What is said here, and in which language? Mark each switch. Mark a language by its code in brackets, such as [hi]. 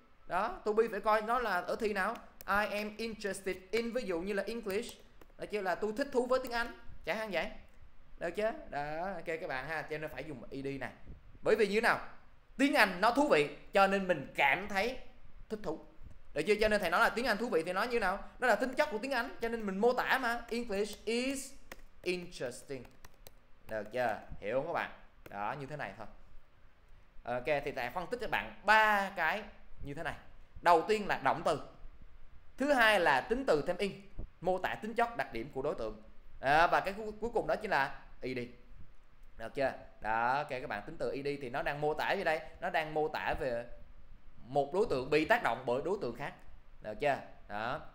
[vi] Đó, to be phải coi nó là ở thi nào. [en] I am interested in, [vi] ví dụ như là English, được chưa? Là tôi thích thú với tiếng Anh chẳng hạn vậy, được chứ? Đó, ok các bạn ha, cho nên phải dùng ed này. Bởi vì như thế nào? Tiếng Anh nó thú vị cho nên mình cảm thấy thích thú, Được chưa? Cho nên thầy nói là tiếng Anh thú vị thì nó như nào? Nó là tính chất của tiếng Anh, cho nên mình mô tả mà. [en] English is interesting. [vi] Được chưa? Hiểu không các bạn? Đó, như thế này thôi. Ok, thì thầy phân tích cho bạn ba cái như thế này. Đầu tiên là động từ. Thứ hai là tính từ thêm in, mô tả tính chất đặc điểm của đối tượng. À, và cái cuối cùng đó chính là ED. Được chưa? Đó, ok các bạn, tính từ ED thì nó đang mô tả gì đây? Nó đang mô tả về một đối tượng bị tác động bởi đối tượng khác. Được chưa? Đó.